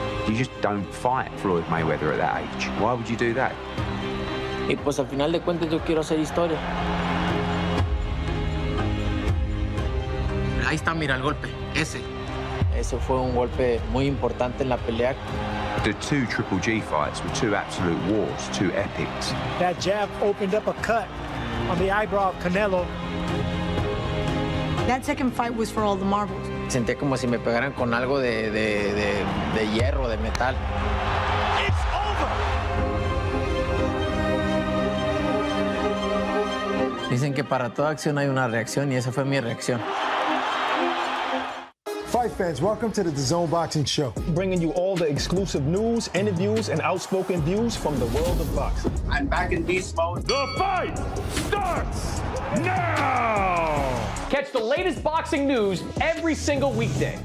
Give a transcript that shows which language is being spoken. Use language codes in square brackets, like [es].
[en] You just don't fight Floyd Mayweather at that age. Why would you do that? [es] Y pues al final de cuentas yo quiero hacer historia. Ahí está, mira el golpe, ese. Ese fue un golpe muy importante en la pelea. [en] The two Triple G fights were two absolute wars, two epics. That jab opened up a cut on the eyebrow of Canelo. That second fight was for all the marbles. [es] Sentí como si me pegaran con algo de hierro, de metal. [en] It's over! [es] Dicen que para toda acción hay una reacción, y esa fue mi reacción. [en] Fight fans, welcome to the DAZN Boxing Show. Bringing you all the exclusive news, interviews, and outspoken views from the world of boxing. I'm back in beast mode. The fight starts now! Catch the latest boxing news every single weekday.